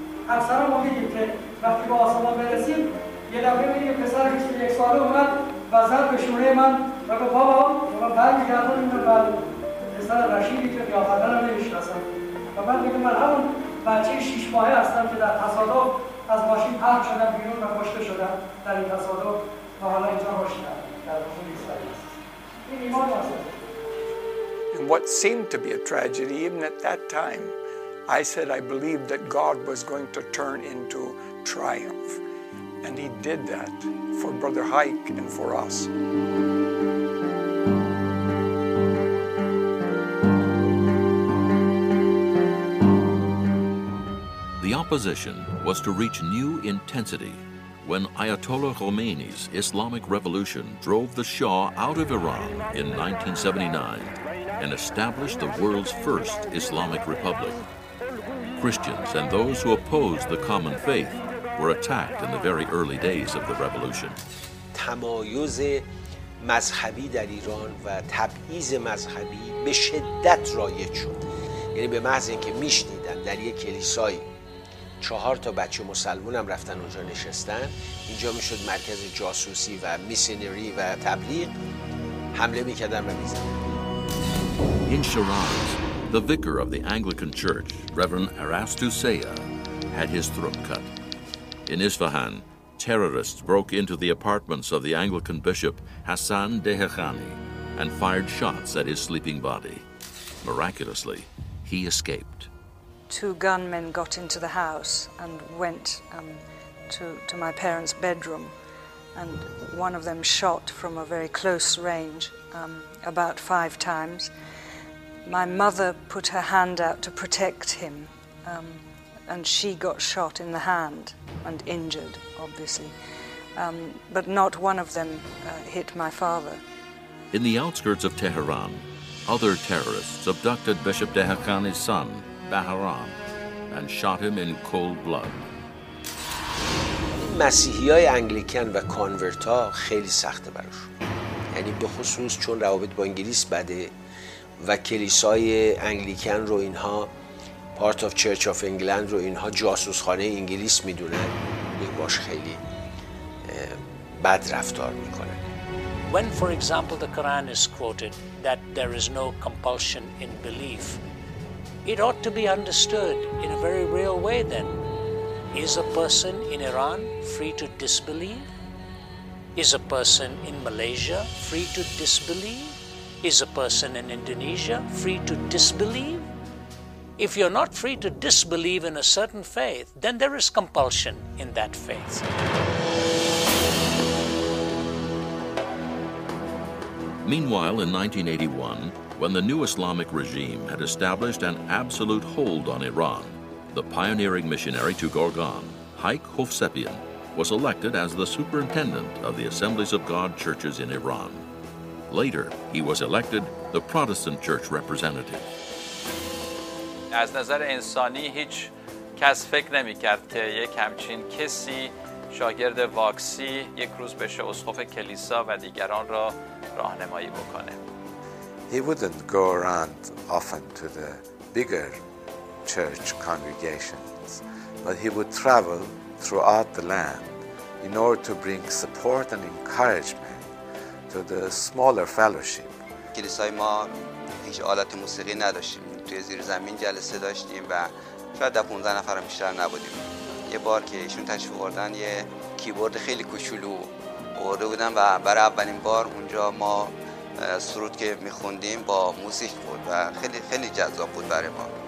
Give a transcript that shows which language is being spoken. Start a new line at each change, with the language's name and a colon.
Persian: اکثر ما می‌گیم که وقتی با آسمان برسیم، یه دفعه می‌بینیم پسر 21 ساله اومد و زد به شونه من و گفت بابا، بابا برمیگردم اینو بعد پسر رشیدی که قیافه‌ش رو نمی‌شناسم. و من دیگه من همون بچه 6 ماهه هستم که در تصادف از ماشین پرت شدم بیرون و کشته شدم در این تصادف و حالا اینجا باشیدم در خونه ایسایی هست. این ایمان هست.
English: What seemed to be a tragedy, even at that time, I said I believed that God was going to turn into triumph. And he did that for Brother Haik and for us. The opposition was to reach new intensity when Ayatollah Khomeini's Islamic Revolution drove the Shah out of Iran in 1979. and establish the world's first Islamic Republic. Christians and those who opposed the common faith were attacked in the very early days of the revolution.
Persian: تمایز مذهبی در ایران و تبعیض مذهبی به شدت رایج شد. یعنی به محض اینکه میشنیدن در یک کلیسای 4 تا بچه مسلمان هم رفتن اونجا نشستن، اینجا میشد مرکز جاسوسی و میسینری و تبلیغ، حمله میکردن و میزدن.
English: In Shiraz, the vicar of the Anglican Church, Reverend Erastus Seya, had his throat cut. In Isfahan, terrorists broke into the apartments of the Anglican bishop, Hassan Dehekhani, and fired shots at his sleeping body. Miraculously, he escaped. Two gunmen got into the house and went to my parents' bedroom, and one of them shot from a very close range, about 5 times. My mother put her hand out to protect him, and she got shot in the hand and injured, obviously. But not one of them hit my father. In the outskirts of Tehran, other terrorists abducted Bishop Dehakani's son, Baharam, and shot him in cold blood.
Persian: مسیحیای انگلیکن و کانورتا خیلی سخته براشون. یعنی به خصوص چون روابط با انگلیس بده و کلیسای انگلیکن رو اینها
English: Part of Church of England
Persian: رو اینها جاسوس خانه انگلیس میدونن، یک باش خیلی بد رفتار میکنن.
English: When, for example, the Quran is quoted that there is no compulsion in belief, it ought to be understood in a very real way then. Is a person in Iran free to disbelieve? Is a person in Malaysia free to disbelieve? Is a person in Indonesia free to disbelieve? If you're not free to disbelieve in a certain faith, then there is compulsion in that faith. Meanwhile, in 1981, when the new Islamic regime had established an absolute hold on Iran, the pioneering missionary to Gorgan, Haik Hovsepian, was elected as the superintendent of the Assemblies of God churches in Iran. Later, he was elected the Protestant church representative.
Persian: از نظر انسانی هیچ کس فکر نمی‌کرد که یک همچین کسی شاگرد واکسی یک روز بشه اسقف کلیسا و دیگران را راهنمایی بکنه.
English: He wouldn't go around often to the bigger church congregations, but he would travel throughout the land in order to bring support and encouragement to the smaller fellowship.
Persian: کلیسای ما هیچ آلات موسیقی نداشتیم. توی زیر زمین جلسه داشتیم و شاید 15 نفر بیشتر نبودیم. یه بار که ایشون تشریف آوردن یه کیبورد خیلی کوچولو آورده بودن و برای اولین بار اونجا ما سرود که می‌خوندیم با موسیقی بود و خیلی خیلی جذاب بود برای ما.